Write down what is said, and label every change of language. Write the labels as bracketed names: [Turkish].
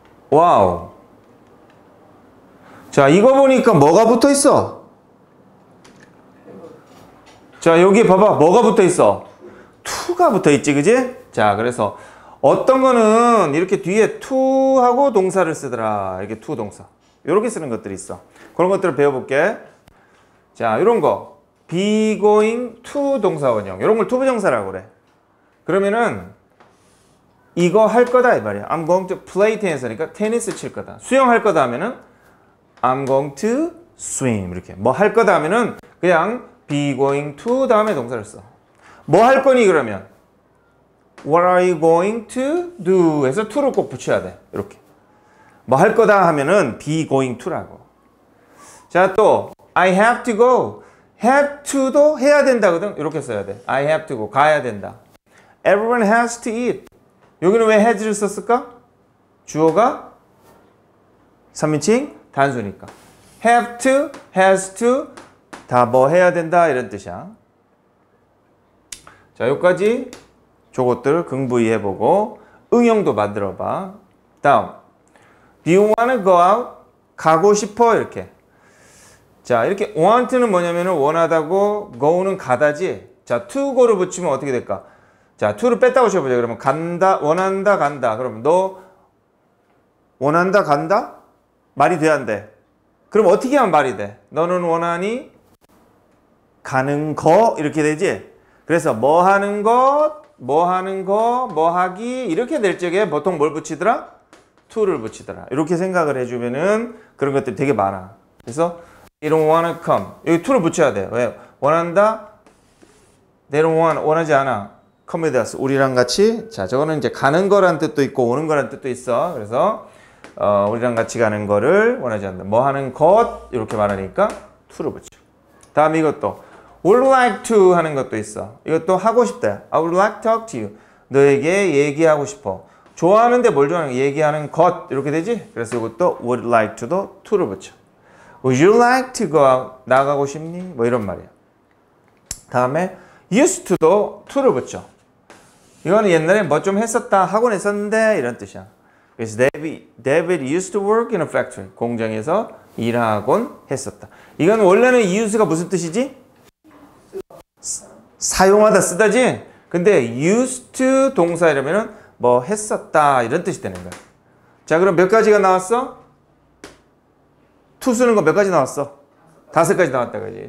[Korean] 와우. 자, 이거 보니까 뭐가 붙어 있어? 자, 여기 봐봐. 뭐가 붙어 있어? 투가 붙어 있지, 그지? 자, 그래서 어떤 거는 이렇게 뒤에 투 하고 동사를 쓰더라. 이게 투 동사. 이렇게 쓰는 것들이 있어. 그런 것들을 배워볼게. 자, 이런 거. [English] be going to 동사원형. [Korean] 이런 걸 to 부정사라고 그래. 그러면은 이거 할 거다 이 말이야. [English] I'm going to play tennis [Korean] 하니까 테니스 칠 거다. 수영할 거다 하면은 [English] I'm going to swim. [Korean] 이렇게. 뭐 할 거다 하면은 그냥 be going to 다음에 동사를 써. 뭐 할 거니 그러면? [English] What are you going to do? [Korean] 해서 to를 꼭 붙여야 돼. 이렇게. 뭐 할 거다 하면은 be going to라고. [English] 자, 또 I have to go. [Korean] have to도 해야 된다거든. 이렇게 써야 돼. [English] I have to go. [Korean] 가야 된다. [English] Everyone has to eat. [Korean] 여기는 왜 has를 썼을까? 주어가 3인칭 단수니까. have to, has to 다 뭐 해야 된다 이런 뜻이야. 자, 여기까지 저것들 긍부이 해보고 응용도 만들어봐. [English] 다음, do you wanna go out? [Korean] 가고 싶어 이렇게. 자, 이렇게 want는 뭐냐면은 원하다고, go는 가다지. 자, to go를 붙이면 어떻게 될까? 자, to를 뺐다고 쳐보자. 그러면 간다, 원한다, 간다. 그럼 너 원한다, 간다? 말이 돼야 돼. 그럼 어떻게 하면 말이 돼? 너는 원하니? 가는 거 이렇게 되지? 그래서 뭐 하는 것, 뭐 하는 거, 뭐 하기 이렇게 될 적에 보통 뭘 붙이더라? to를 붙이더라. 이렇게 생각을 해주면은 그런 것들이 되게 많아. [English] 그래서 they don't wanna come. [Korean] 여기 to를 붙여야 돼. 왜? 원한다? [English] they don't want, [Korean] 원하지 않아. [English] come with us. [Korean] 우리랑 같이. 자, 저거는 이제 가는 거란 뜻도 있고 오는 거란 뜻도 있어. 그래서 우리랑 같이 가는 거를 원하지 않는다. 뭐 하는 것 이렇게 말하니까 to를 붙여. 다음 이것도 would like to 하는 것도 있어. 이것도 하고 싶다. [English] I would like to talk to you. [Korean] 너에게 얘기하고 싶어. 좋아하는데 뭘 좋아하는 거? 얘기하는 것. 이렇게 되지? 그래서 이것도 would like to도 to를 붙여. [English] Would you like to go out? [Korean] 나가고 싶니? 뭐 이런 말이야. 다음에 used to도 to를 붙여. 이거는 옛날에 뭐 좀 했었다. 하곤 했었는데 이런 뜻이야. [English] 그래서 David used to work in a factory. [Korean] 공장에서 일하곤 했었다. 이건 원래는 use가 무슨 뜻이지? 사용하다 쓰다지? 근데 used to 동사 이러면은 뭐 했었다 이런 뜻이 되는 거야. 자, 그럼 몇 가지가 나왔어? to 쓰는 거 몇 가지 나왔어? 다섯 가지 나왔다 그지?